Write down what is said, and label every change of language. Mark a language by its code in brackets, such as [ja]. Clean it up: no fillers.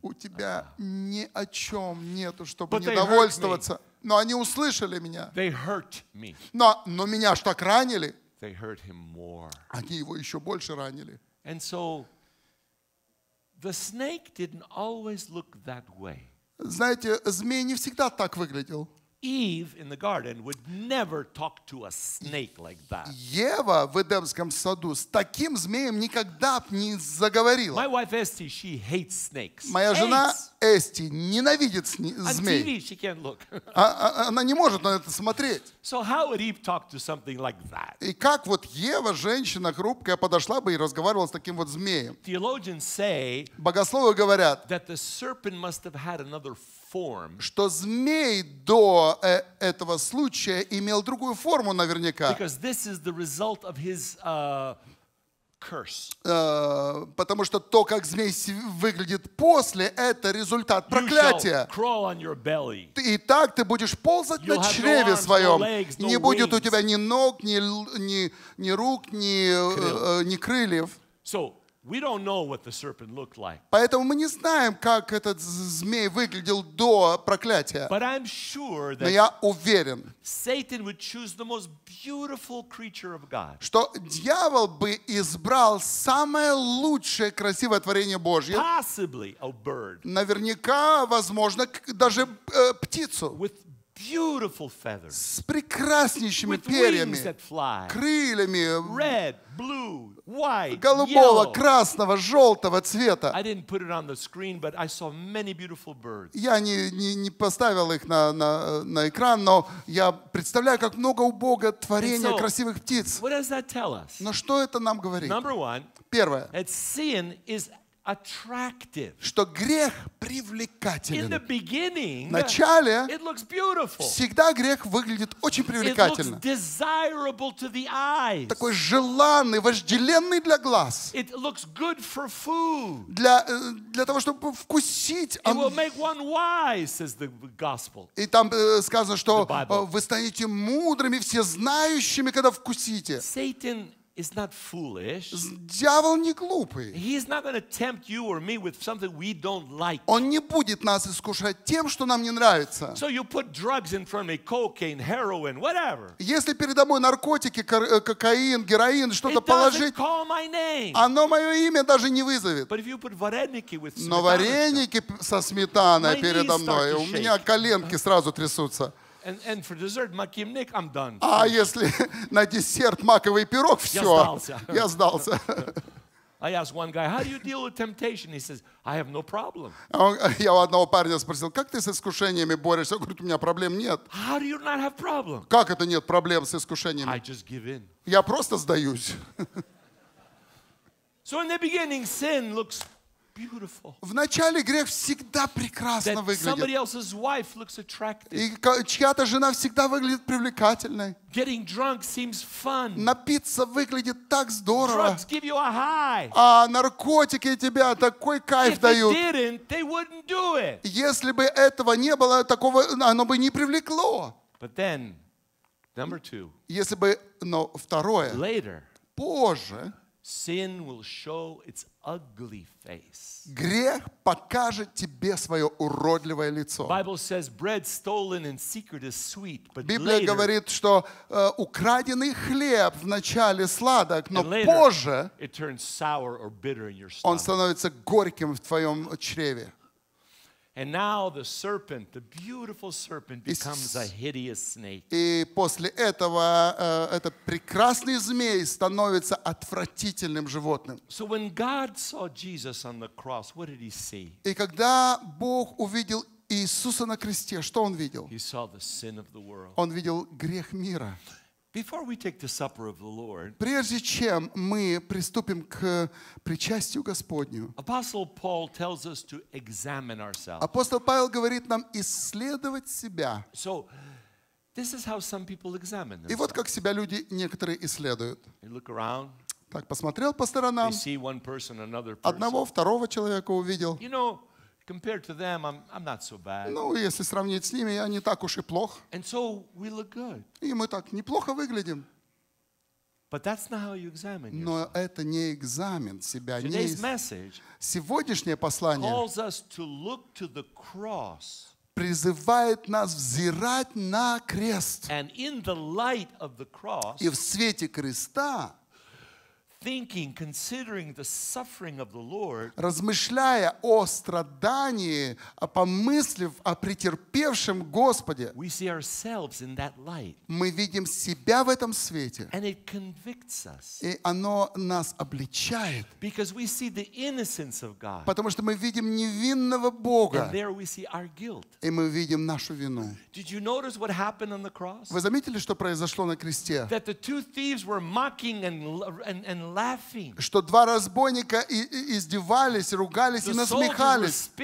[ru] У тебя ни о чем нету, чтобы недовольствоваться. Но они услышали меня. [en] They hurt me. [ru] Но меня ж так ранили. [en] They hurt him more. [ru] Они его еще больше ранили. [en] And so, the snake didn't always look that way. [ru] Знаете, змей не всегда так выглядел. [en] Eve in the garden would never talk to a snake like that. [ru] Ева в Эдемском саду с таким змеем никогда б не заговорила. [en] My wife Esty, she hates snakes. [ru] Моя жена Эсти ненавидит змей. [en] On TV she can't look. [ru] Она не может на это смотреть. [en] So how would Eve talk to something like that? [ru] И как вот Ева, женщина хрупкая, подошла бы и разговаривала с таким вот змеем? [en] Theologians say. [ru] Богословы говорят. [en] That the serpent must have had another form. [ru] Что змей до этого случая имел другую форму наверняка. [en] Because this is the result of his curse. [ru] Потому что то, как змей выглядит после, это результат проклятия. [en] You shall crawl on your belly. [ru] И так ты будешь ползать на чреве своем. Не будет у тебя ни ног, ни рук, ни крыльев. [en] We don't know what the serpent looked like. [ru] Поэтому мы не знаем, как этот змей выглядел до проклятия. [en] But I'm sure that. [ru] Но я уверен. [en] Satan would choose the most beautiful creature of God. [ru] Что дьявол бы избрал самое лучшее, красивое творение Божье. [en] Possibly a bird. [ru] Наверняка, возможно, даже птицу. [en] With beautiful feathers. [ru] С прекраснейшими перьями. [en] With wings that fly. [ru] Крыльями. [en] Red, blue. White, [ru] голубого, [en] yellow. [ru] Красного, желтого цвета. [en] I didn't put it on the screen, but I saw many beautiful birds. [ru] Я не поставил их на экран, но я представляю, как много у Бога творения красивых птиц. [en] What does that tell us? [ru] Но что это нам говорит? [en] Number one. [ru] Первое. [en] That sin is attractive. [ru] Что грех привлекателен. [en] In the beginning, [ru] в начале, [en] it looks beautiful. [ru] Всегда грех выглядит очень привлекательно. [en] It looks desirable to the eyes. [ru] Такой желанный, вожделенный для глаз. [en] It looks good for food. [ru] Для того, чтобы вкусить. [en] It will make one wise, says the gospel. [ru] И там сказано, что вы станете мудрыми, всезнающими, когда вкусите. [en] Satan is not foolish. [ru] Дьявол не глупый. [en] He is not going to tempt you or me with something we don't like. [ru] Он не будет нас искушать тем, что нам не нравится. [en] So you put drugs in front of me, cocaine, heroin, whatever. [ru] Если передо мной наркотики, кокаин, героин, что-то положить, [en] it doesn't call my name. [ru] Оно мое имя даже не вызовет. [en] But if you put вареники with [ru] smetana, но вареники со сметаной передо мной, у меня коленки сразу трясутся. [en] And for dessert, makimnik, I'm done. [ru] А если на десерт маковый пирог, все, я сдался. [en] I asked one guy, how do you deal with temptation? He says, I have no problem. [ru] Я у одного парня спросил, как ты с искушениями борешься? Он говорит, у меня проблем нет. [en] How do you not have problem? [ru] Как это нет проблем с искушениями? [en] I just give in. [ru] Я просто сдаюсь. [en] So in the beginning, sin looks beautiful. [ru] Вначале грех всегда прекрасно [en] that [ru] выглядит. [en] Somebody else's wife looks attractive. [ru] И чья-то жена всегда выглядит привлекательной. [en] Getting drunk seems fun. [ru] Напиться выглядит так здорово. [en] Drugs give you a high. [ru] А наркотики тебя такой кайф дают. [en] If they didn't, they wouldn't do it. [ru] Если бы этого не было, такого, оно бы не привлекло. [en] But then, number two. [ru] Если бы, но второе. [en] Later. [ru] Позже. [en] Sin will show its ugly face. [ru] Грех покажет тебе свое уродливое лицо. [en] Bible says bread stolen in secret is sweet, but later. [ru] Библия говорит, что украденный хлеб вначале сладок, но позже [en] it turns sour or bitter in your stomach. [ru] Он становится горьким в твоем чреве. [en] And now the serpent, the beautiful serpent, becomes a hideous snake. [ru] И после этого этот прекрасный змей становится отвратительным животным. [en] So when God saw Jesus on the cross, what did He see? [ru] И когда Бог увидел Иисуса на кресте, что Он видел? [en] He saw the sin of the world. [ru] Он видел грех мира. [en] Before we take the supper of the Lord, [ru] прежде чем мы приступим к причастию Господню, [en] Apostle Paul tells us to examine ourselves. [ru] Апостол Павел говорит нам исследовать себя. [en] So, this is how some people examine themselves. [ru] И вот как себя люди некоторые исследуют. [en] They look around. [ru] Так посмотрел по сторонам. [en] They see one person, another person. [ru] Одного, второго человека увидел. [en] You know, compared to them, I'm not so bad. [ru] Ну, если сравнить с ними, я не так уж и плох. [en] And so we look good. [ru] И мы так неплохо выглядим. [en] But that's not how you examine yourself. [ru] Но это не экзамен себя. [en] Today's message. [ru] Сегодняшнее послание [en] calls us to look to the cross. [ru] Призывает нас взирать на крест. [en] And in the light of the cross. [ru] И в свете креста. [en] thinking, considering the suffering of the Lord, [ru] размышляя о страдании, помыслив о претерпевшем Господе, [en] we see ourselves in that light. [ru] Мы видим себя в этом свете. [en] And it convicts us. [ru] И оно нас обличает. [en] Because we see the innocence of God. [ru] Потому что мы видим невинного Бога. [en] And there we see our guilt. [ru] И мы видим нашу вину. [en] Did you notice what happened on the cross? [ru] Вы заметили, что произошло на кресте? [en] That the two thieves were mocking and laughing. [ru] Что два разбойника издевались, ругались и насмехались.